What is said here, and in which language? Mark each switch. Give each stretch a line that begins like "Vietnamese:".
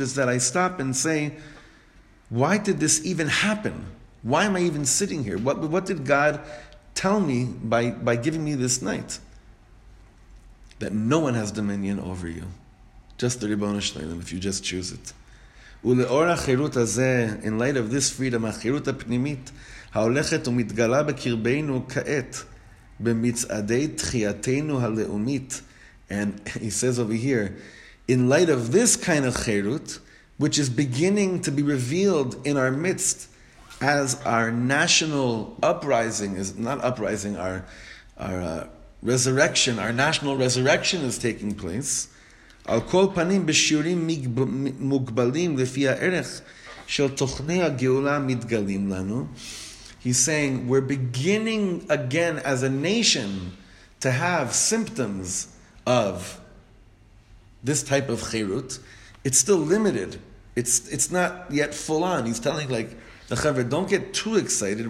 English: It's that I stop and say, why did this even happen? Why am I even sitting here? What did God tell me by giving me this night? That no one has dominion over you, just the Ribbono Shel Olam, if you just choose it.
Hebrew: ולאור החירות הזה,
English: in light of this freedom,
Hebrew: החירות הפנימית, ההולכת ומתגלה בקרבנו כעת, במצעדי תחייתנו הלאומית.
English: And he says over here, in light of this kind of חירות, which is beginning to be revealed in our midst as our national uprising, is not uprising, our resurrection, our national resurrection is taking place.
Hebrew: על כל פנים בשיעורים מוגבלים לפי הערך של תוכני הגאולה מתגלים לנו.
English: He's saying, we're beginning again as a nation to have symptoms of this type of chirut. It's still limited. It's not yet full on. He's telling like, the chaver, don't get too excited.